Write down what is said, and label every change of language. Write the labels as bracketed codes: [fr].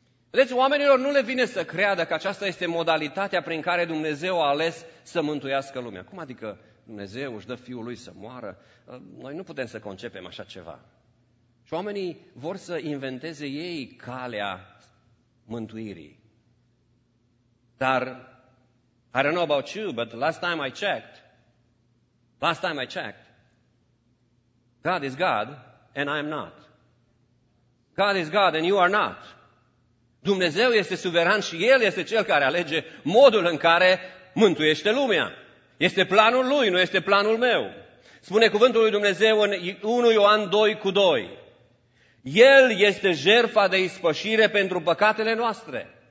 [ro] Vedeți, oamenilor nu le vine să creadă că aceasta este modalitatea prin care Dumnezeu a ales să mântuiască lumea. Cum adică Dumnezeu își dă Fiul Lui să moară, noi nu putem să concepem așa ceva. Și oamenii vor să inventeze ei calea mântuirii. [en] Dar, I don't know about you, but last time I checked, God is God and I am not. God is God and you are not. [ro] Dumnezeu este suveran și El este Cel care alege modul în care mântuiește lumea. Este planul Lui, nu este planul meu. Spune cuvântul lui Dumnezeu în 1 Ioan 2:2. El este jertfa de ispășire pentru păcatele noastre.